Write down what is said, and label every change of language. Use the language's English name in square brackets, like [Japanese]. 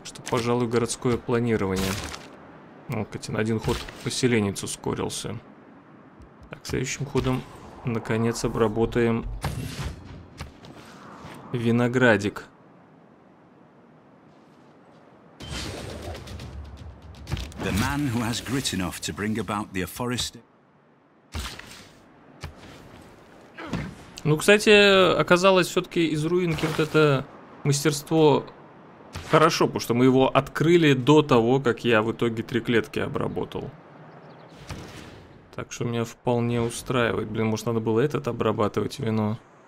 [Russian] Пожалуй, городское планирование. Ну, кстати, на один ход поселенец ускорился. Так, следующим ходом, наконец, обработаем виноградик. [English] The man who has grit enough to bring about the forest... [Russian] Ну, кстати, оказалось, все-таки из руинки вот это мастерство... Хорошо, потому что мы его открыли до того, как я в итоге три клетки обработал. Так что меня вполне устраивает. Блин, может, надо было этот обрабатывать вино?